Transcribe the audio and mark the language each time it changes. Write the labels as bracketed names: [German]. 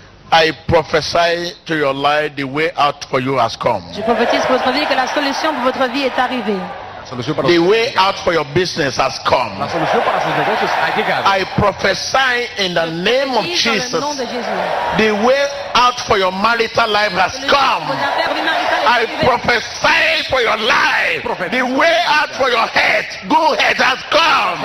[English] I prophesy to your life the way out for you has come. [French] Je prophétise pour votre vie que la solution pour votre vie est arrivée. [English] The way out for your business has come. I prophesy in the name of Jesus. The way out for your marital life has come. I prophesy for your life. The way out for your head, good head, has come.